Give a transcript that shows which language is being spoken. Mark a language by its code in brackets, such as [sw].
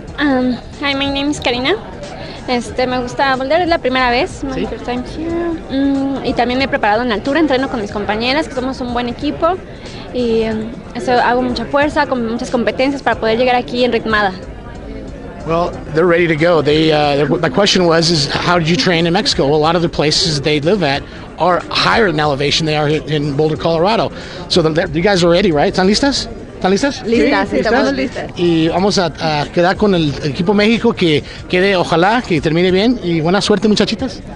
[en] Hi, my name is Karina. [es] Me gusta Boulder, es la primera vez. ¿Sí? [en] My first time here. [es] Y también me he preparado en altura, entreno con mis compañeras, que somos un buen equipo. Y eso, hago mucha fuerza, con muchas competencias para poder llegar aquí enritmada. [en] Well, they're ready to go. My question was, is how did you train in Mexico? Well, a lot of the places they live at are higher in elevation than they are in Boulder, Colorado. So you guys are ready, right? [es] ¿Están listas? ¿Están listas? Listas, sí, estamos listas. Y vamos a quedar con el equipo México que quede, ojalá, que termine bien. Y buena suerte, muchachitas.